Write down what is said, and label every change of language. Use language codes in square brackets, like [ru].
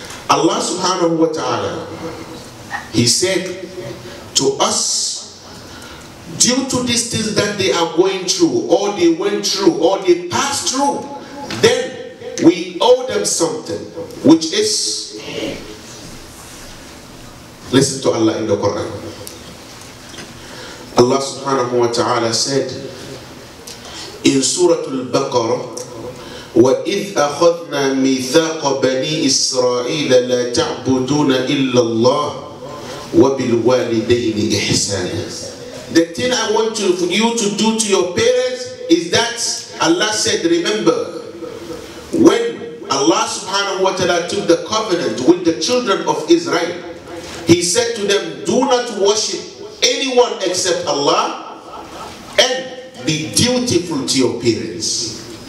[en] Allah subhanahu wa ta'ala, He said to us, due to these things that they are going through, or they went through, or they passed through, then we owe them something, which is, listen to Allah in the Quran. Allah subhanahu wa ta'ala said in Surah Al-Baqarah, [ar] وَإِذْ أَخَذْنَا مِيثَاقَ بَنِي إِسْرَائِيلَ لَا تَعْبُدُونَ إِلَّا اللَّهَ وَبِالْوَالِدَيْنِ إِحْسَانًا. [en] The thing I want for you to do to your parents is that Allah said, remember, when Allah subhanahu wa ta'ala took the covenant with the children of Israel, He said to them, do not worship anyone except Allah and be dutiful to your parents.